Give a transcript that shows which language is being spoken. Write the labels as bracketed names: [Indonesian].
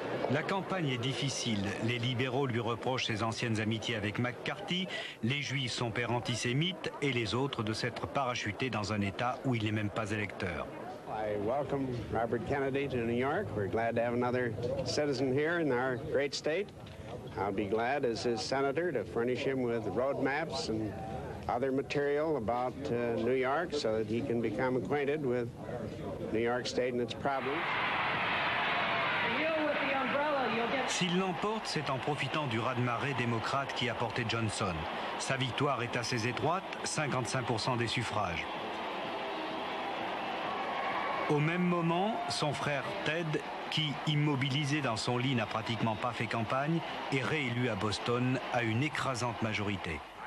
[French] La campagne est difficile. Les libéraux lui reprochent ses anciennes amitiés avec McCarthy, les juifs son père antisémite et les autres de s'être parachutés dans un État où il n'est même pas électeur. [English] I welcome Robert Kennedy to New York. We're glad to have another citizen here in our great state. I'll be glad as his senator to furnish him with roadmaps and other material about New York so that he can become acquainted with New York State and its problems. [French] S'il l'emporte, c'est en profitant du raz-de-marée démocrate qui a porté Johnson. Sa victoire est assez étroite, 55% des suffrages. Au même moment, son frère Ted, qui, immobilisé dans son lit, n'a pratiquement pas fait campagne, est réélu à Boston à une écrasante majorité.